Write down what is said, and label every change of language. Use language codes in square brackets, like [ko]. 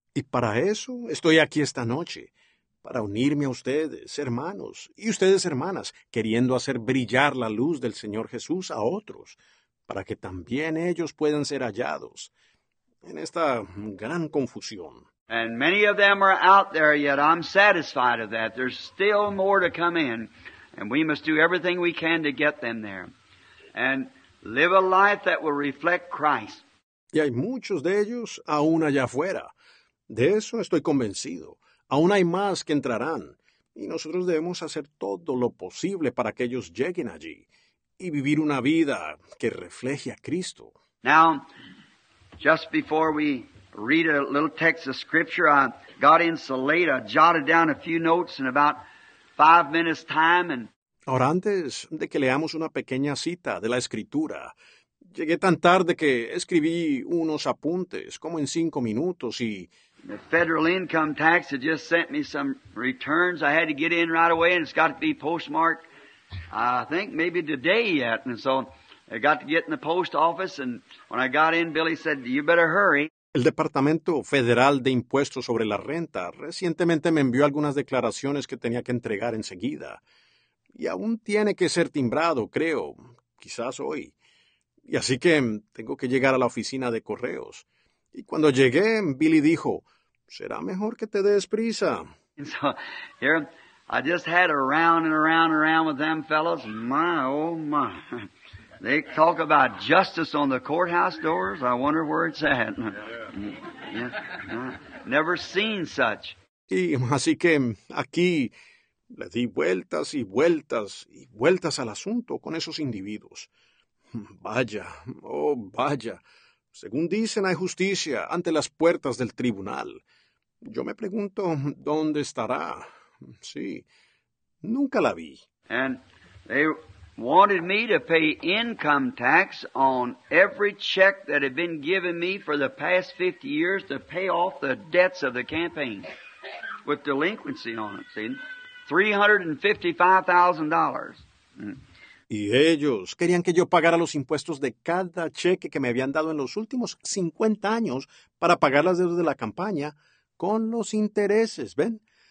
[es] Y para eso estoy aquí esta noche, para unirme a ustedes, hermanos, y ustedes, hermanas, queriendo hacer brillar la luz del Señor Jesús a otros, para que también ellos puedan ser hallados en esta gran confusión. [en] And many of them are out there, yet I'm satisfied of that. There's still more to come in, and we must do everything we can to get them there. And live a life that will reflect Christ. [es] Y hay muchos de ellos aún allá afuera. De eso estoy convencido. Aún hay más que entrarán, y nosotros debemos hacer todo lo posible para que ellos lleguen allí y vivir una vida que refleje a Cristo. [en] Now, just before we read a little text of Scripture, I got in so late, I jotted down a few notes in about 5 minutes' time. And [es] ahora, antes de que leamos una pequeña cita de la Escritura, llegué tan tarde que escribí unos apuntes, como en 5 minutos, y [en] the federal income tax had just sent me some returns. I had to get in right away, and it's got to be postmarked, I think, maybe today yet. And so I got to get in the post office, and when I got in, Billy said, you better hurry. [es] El Departamento Federal de Impuestos sobre la Renta recientemente me envió algunas declaraciones que tenía que entregar enseguida. Y aún tiene que ser timbrado, creo, quizás hoy. Y así que tengo que llegar a la oficina de correos. Y cuando llegué, Billy dijo, será mejor que te des prisa. [en] And so, here, I just had a round and a round and a round with them fellows. My, oh my. They talk about justice on the courthouse doors. I wonder where it's at. Yeah. Never seen such. [es] Y así que aquí le di vueltas y vueltas y vueltas al asunto con esos individuos. Vaya, oh vaya. Según dicen, hay justicia ante las puertas del tribunal. Yo me pregunto dónde estará. Sí, nunca la vi. [en] And they wanted me to pay income tax on every check that had been given me for the past 50 years to pay off the debts of the campaign with delinquency on it, see? $355,000. [es] Y ellos querían que yo pagara los impuestos de cada cheque que me habían dado en los últimos 50 años para pagar las deudas de la campaña con los intereses, ¿ven?